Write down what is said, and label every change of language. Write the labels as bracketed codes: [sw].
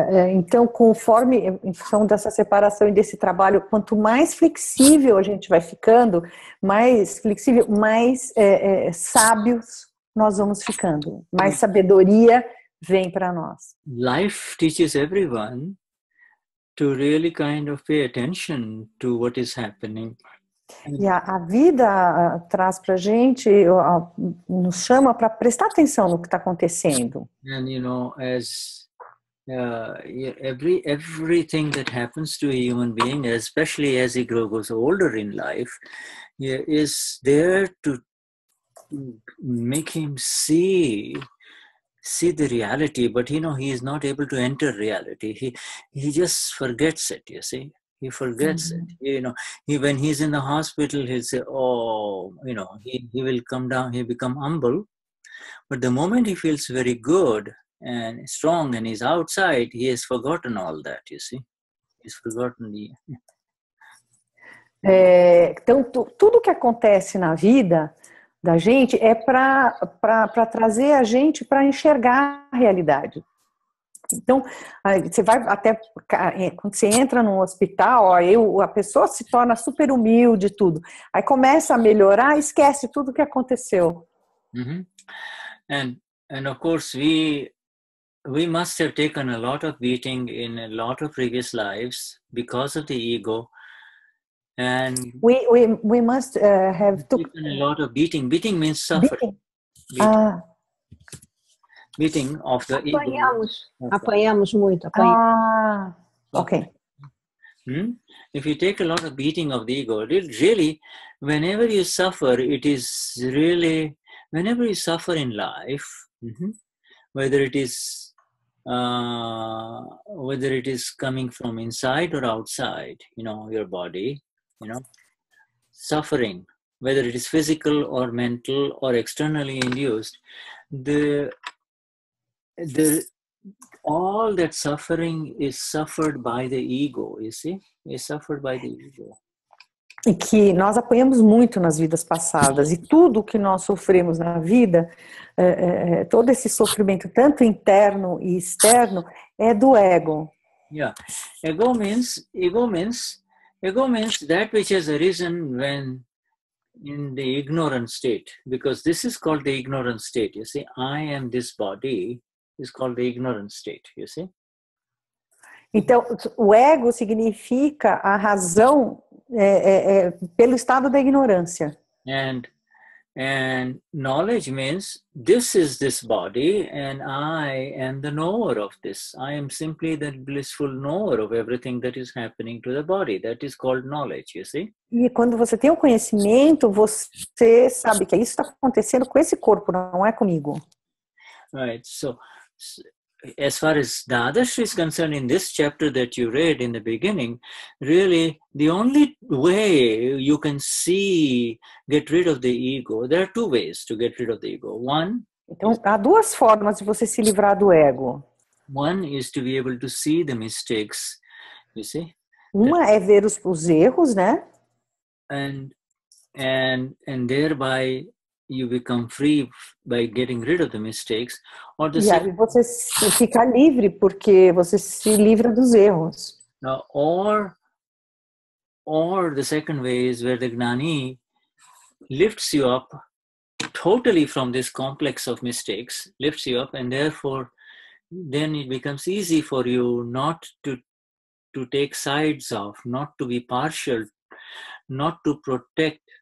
[pt] Então, conforme, em função dessa separação e desse trabalho, quanto mais flexível a gente vai ficando, mais flexível, mais sábios nós vamos ficando, mais sabedoria vem para nós. [en] Life teaches everyone to really kind of pay attention to what is happening. [pt] E a vida traz para gente, nos chama para prestar atenção no que está acontecendo. [en] And you know, as everything that happens to a human being, especially as he grows older in life, is there to make him see the reality, but you know, he is not able to enter reality. He just forgets it, you see. He forgets mm-hmm. it. You know, when he's in the hospital, he'll say, he will come down, he'll become humble. But the moment he feels very good and strong and he's outside, he has forgotten all that, you see. He's forgotten the... [pt] Então, tudo que acontece na vida da gente é para trazer a gente para enxergar a realidade. Então, você vai até, quando você entra num hospital, a pessoa se torna super humilde e tudo. Aí começa a melhorar, esquece tudo o que aconteceu. Uhum. [en] And of course, we must have taken a lot of beating in a lot of previous lives because of the ego. And we must have taken a lot of beating. Beating means suffering. Beating of the ego. [pt] Apanhamos muito. Okay. [en] If you take a lot of beating of the ego, really, whenever you suffer, it is really, whenever you suffer in life, whether it is coming from inside or outside, you know, your body, you know, suffering, whether it is physical or mental or externally induced, the all that suffering is suffered by the ego, you see? It's suffered by the ego. [pt] E que nós apanhamos muito nas vidas passadas, e tudo que nós sofremos na vida, todo esse sofrimento, tanto interno e externo, é do ego. Yeah. [en] Ego means that which has arisen when in the ignorant state, because this is called the ignorant state, you see, I am this body, is called the ignorant state, you see? [pt] Então, o ego significa a razão pelo estado da ignorância. [en] And knowledge means this is this body and I am the knower of this. I am simply the blissful knower of everything that is happening to the body. That is called knowledge, you see? [pt] E quando você tem o conhecimento, você sabe que isso está acontecendo com esse corpo, não é comigo. [en] Right, so as far as Dadashri is concerned, in this chapter that you read in the beginning, really the only way you can see, get rid of the ego, there are two ways to get rid of the ego. One, [pt] então, há duas formas de você se livrar do ego. [en] One is to be able to see the mistakes, you see? [pt] Uma é ver os erros, né? [en] And thereby you become free by getting rid of the mistakes, or the [pt] second, você fica livre porque você se livra dos erros. [en] Or the second way is where the Gnani lifts you up totally from this complex of mistakes, lifts you up, and therefore then it becomes easy for you not to take sides of, not to be partial, not to protect.